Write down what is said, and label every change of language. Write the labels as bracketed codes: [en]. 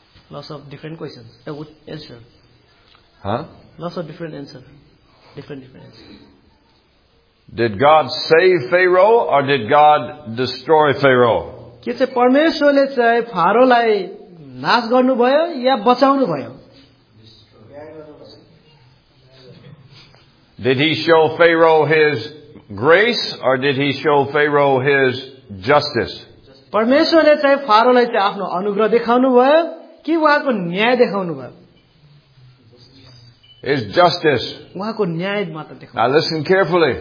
[en] Lots of different questions. A good answer. Huh? Lots of different answer. Different answer. Did God save Pharaoh or did God destroy Pharaoh? [ne] के चाहिँ परमेश्वरले चाहिँ फारोलाई नाश गर्नुभयो या बचाउनुभयो? [en] Did he show Pharaoh his grace or did he show Pharaoh his justice? [ne] परमेश्वरले चाहिँ फारोलाई चाहिँ आफ्नो अनुग्रह देखाउनुभयो कि उहाँको न्याय देखाउनुभयो? [en] It's justice. Now listen carefully.